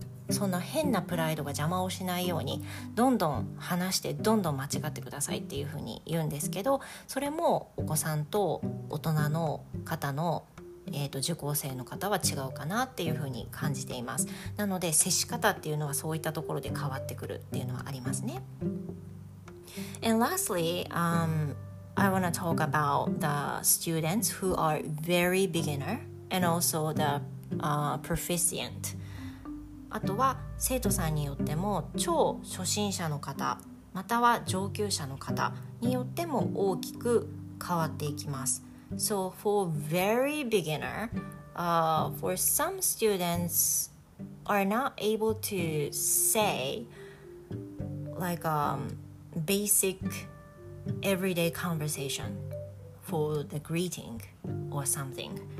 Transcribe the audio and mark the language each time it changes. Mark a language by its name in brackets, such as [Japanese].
[Japanese] そんな変なプライドが邪魔をしないように、どんどん話してどんどん間違ってくださいっていう風に言うんですけど、それもお子さんと大人の方の、受講生の方は違うかなっていう風に感じています。なので接し方っていうのはそういったところで変わってくるっていうのはありますね。 [English] And lastly I want to talk about the students who are very beginner and also the proficient. [Japanese] あとは生徒さんによっても超初心者の方または上級者の方によっても大きく変わっていきます。 [English] So for very beginner, for some students are not able to say like basic everyday conversation for the greeting or something.